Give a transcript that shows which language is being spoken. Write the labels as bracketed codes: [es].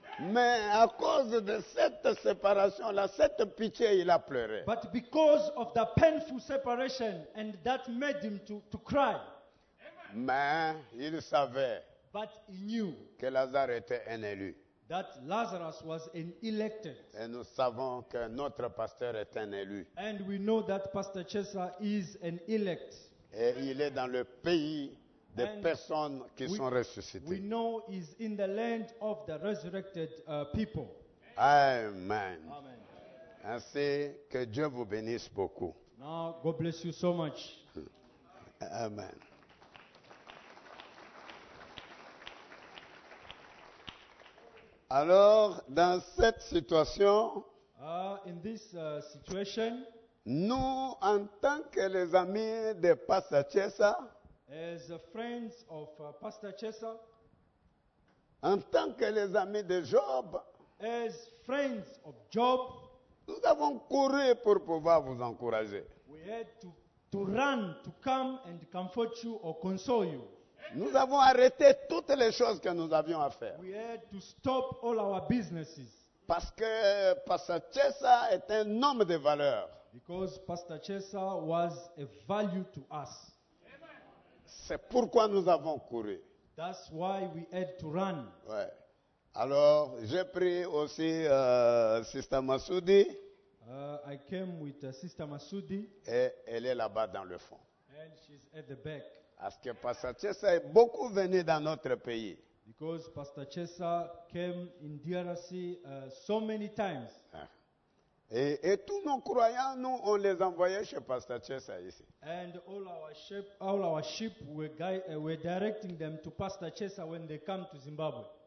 [fr] Mais à cause de cette séparation, là, cette pitié, il a pleuré. [en] But because of the painful separation and that made him to cry. [fr] Mais il savait. [en] But he knew [fr] que Lazare était un élu. [en] That Lazarus was an elected. [fr] Et nous savons que notre pasteur est un élu. [en] And we know that Pastor Chesa is an elect. [fr] Et il est dans le pays des personnes qui sont ressuscitées. [en] We know he's in the land of the resurrected people. [fr] Amen. [en] Amen. [fr] Ainsi que Dieu vous bénisse beaucoup. [en] Now God bless you so much. [fr] Amen. Alors, dans cette situation, [en] in this situation, [fr] nous, en tant que les amis de Pastor Chesa, [en] as friends of Pastor Chesa, [fr] en tant que les amis de Job, [en] as friends of Job, [fr] nous avons couru pour pouvoir vous encourager. [en] We had to run to come and comfort you or console you. [fr] Nous avons arrêté toutes les choses que nous avions à faire. [en] We had to stop all our businesses. [fr] Parce que Pastor Chesa est un homme de valeur. [en] Because Pastor Chesa was a value to us. [fr] C'est pourquoi nous avons couru. [en] That's why we had to run. [fr] Ouais. Alors, j'ai pris aussi Sister Masoudi. [en] I came with Sister Masoudi. [fr] Et elle est là-bas dans le fond. [en] And she's at the back. [fr] Parce que Pastor Chesa est beaucoup venu dans notre pays. [en] Because Pastor Chesa came in DRC so many times. [fr] Et tous nos croyants, nous, on les envoyait chez Pastor Chesa ici. [en] And all our sheep were directing them to Pastor Chesa when they come to Zimbabwe.